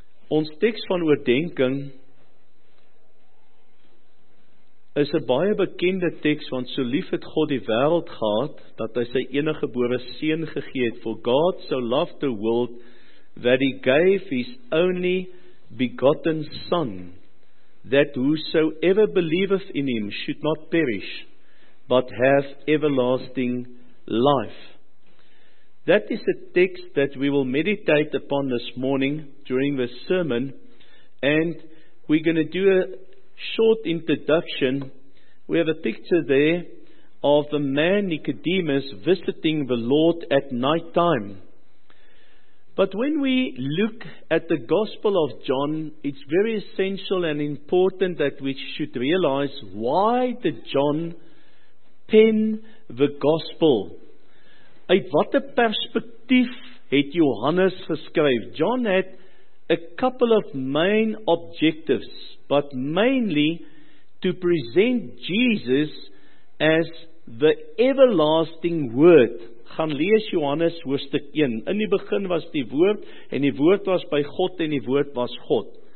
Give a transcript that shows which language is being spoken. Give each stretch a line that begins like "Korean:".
Afrikaans: Ons teks van oordenking is 'n baie bekende teks, want so lief het God die wêreld gehad, dat hy sy eniggebore seun gegee het.
English: For God so loved the world that he gave his only begotten son, that whosoever believeth in him should not perish, but have everlasting life. That is a text that we will meditate upon this morning during this sermon, and we're going to do a short introduction. We have a picture there of the man Nicodemus visiting the Lord at night time. But when we look at the Gospel of John, it's very essential and important that we should realize why did John pen the Gospel?
Afrikaans: Uit watter perspektief het Johannes geskryf?
English: John had a couple of main objectives, but mainly to present Jesus as the everlasting Word.
Afrikaans: Gaan lees Johannes hoofstuk 1. In die begin was die Woord, en die Woord was by God, en die Woord was God.